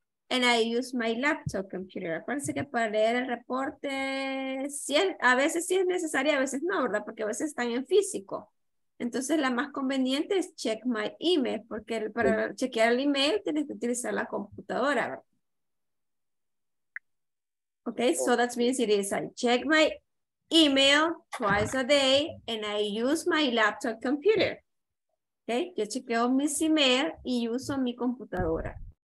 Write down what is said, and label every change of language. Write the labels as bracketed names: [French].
[English] And I use my laptop computer. [Spanish] Acuérdense que para leer el reporte, a veces sí es necesario, a veces no, ¿verdad? Porque a veces están en físico. Entonces, la más conveniente es [English] check my email, [Spanish] porque para chequear el email tienes que utilizar la computadora, ¿verdad? [English] Okay, so that means it is I check my email twice a day and I use my laptop computer. [Spanish] Okay, yo chequeo mis email y uso mi computadora.